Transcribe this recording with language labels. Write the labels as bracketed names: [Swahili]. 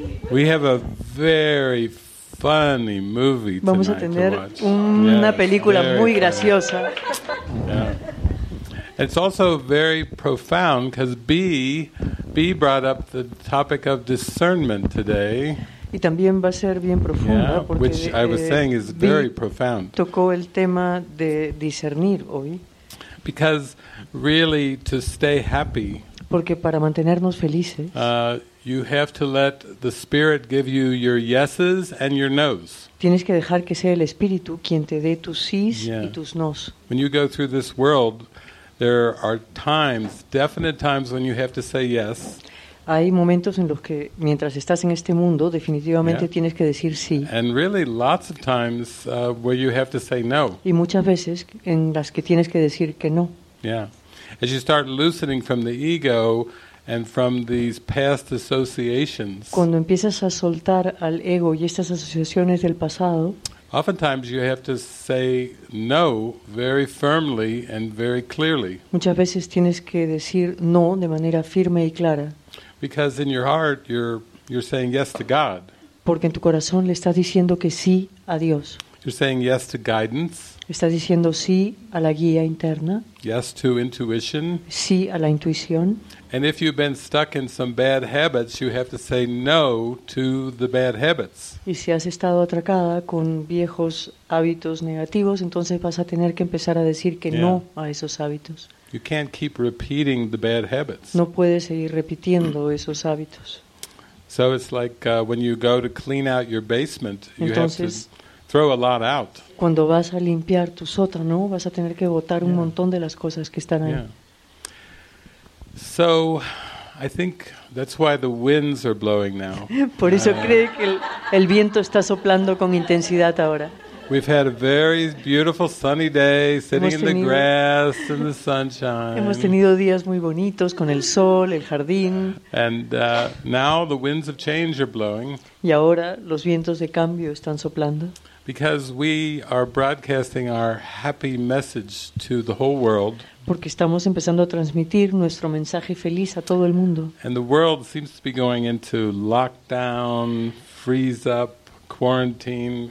[English] We have a very funny movie tonight. [Spanish] Vamos a tener una película muy graciosa. [English] It's also very profound because B brought up the topic of discernment today. [Spanish] Y también va a ser bien profunda porque [English] which I was saying is very profound. [Spanish] Tocó el tema de discernir hoy. [English] Because really to stay happy. [Spanish] Porque para mantenernos felices. [English] You have to let the spirit give you your yeses and your noes. [Spanish] Tienes que dejar que sea el espíritu quien te dé tus sís y tus noes. [English] When you go through this world, there are times, definite times when you have to say yes. [Spanish] Hay momentos en los que mientras estás en este mundo, definitivamente tienes que decir sí. [English] And really lots of times where you have to say no. [Spanish] Y muchas veces en las que tienes que decir que no. [English] Yeah. As you start loosening from the ego and from these past associations. [Spanish] Cuando empiezas a soltar al ego y estas asociaciones del pasado, [English] oftentimes you have to say no very firmly and very clearly. [Spanish] Muchas veces tienes que decir no de manera firme y clara. [English] Because in your heart you're saying yes to God. [Spanish] Porque en tu corazón le estás diciendo que sí a Dios. [English] You're saying yes to guidance. [Spanish] Estás diciendo sí a la guía interna. [English] Yes to intuition. [Spanish] Sí a la intuición. [English] And if you've been stuck in some bad habits, you have to say no to the bad habits. [Spanish] Y si has estado atracada con viejos hábitos negativos, entonces vas a tener que empezar a decir que no a esos hábitos. [English] You can't keep repeating the bad habits. [Spanish] No puedes seguir repitiendo esos hábitos. [English] So it's like when you go to clean out your basement, you have to throw a lot out. [Spanish] Cuando vas a limpiar tu sótano, vas a tener que botar un montón de las cosas que están ahí. [English] Yeah. So, I think that's why the winds are blowing now. [Spanish] Por eso creo que el viento está soplando con intensidad ahora. [English] We've had a very beautiful sunny day, sitting in the grass and the sunshine. [Spanish] Hemos tenido días muy bonitos con el sol, el jardín. [English] And now the winds of change are blowing. [Spanish] Y ahora los vientos de cambio están soplando. [English] Because we are broadcasting our happy message to the whole world. [Spanish] Porque estamos empezando a transmitir nuestro mensaje feliz a todo el mundo. [English] And the world seems to be going into lockdown, freeze up, quarantine.